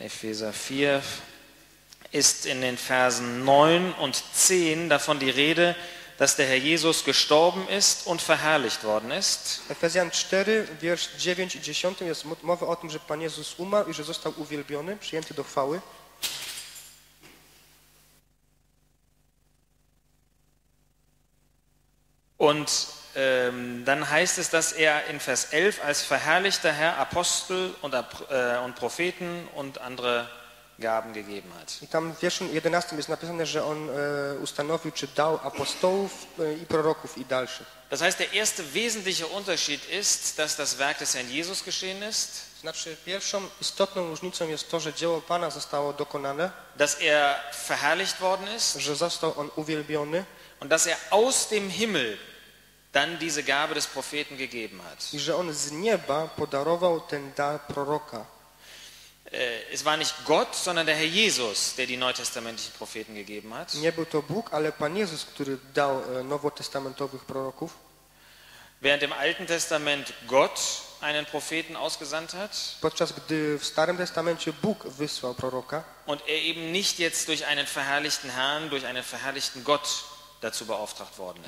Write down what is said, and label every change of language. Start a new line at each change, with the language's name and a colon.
German: Epheser 4 ist in den Versen 9 und 10 davon die Rede, dass der Herr Jesus gestorben ist und verherrlicht worden ist.
Polish: Efezjan 4, wiersz 9 i 10 jest mowa o tym, że Pan Jezus umarł i że został uwielbiony, przyjęty do chwały.
German: Und dann heißt es, dass er in Vers 11 als verherrlichter Herr Apostel und Propheten und andere Gaben gegeben hat.
Polish: I tam w wierszu 11 jest napisane, że on ustanowił czy dał apostołów i proroków i dalszych.
German: Das heißt, der erste wesentliche Unterschied ist, dass das Werk des Herrn Jesus geschehen ist.
Polish: Znaczy, pierwszą istotną różnicą jest to, że dzieło Pana zostało dokonane.
German: Dass er verherrlicht worden ist.
Polish: Że został on uwielbiony.
German: Und dass er aus dem Himmel dann diese Gabe des Propheten gegeben hat.
Polish: I że on z nieba podarował ten dar proroka.
German: Es war nicht Gott, sondern der Herr Jesus, der die neutestamentlichen Propheten gegeben hat.
Polish: Nie był to Bóg, ale Pan Jezus, który dał nowotestamentowych proroków.
German: Während im Alten Testament Gott einen Propheten ausgesandt hat.
Polish: Podczas gdy w Starym Testamencie Bóg wysłał proroka.
German: Und er eben nicht jetzt durch einen verherrlichten Herrn, durch einen verherrlichten Gott dazu beauftragt worden ist.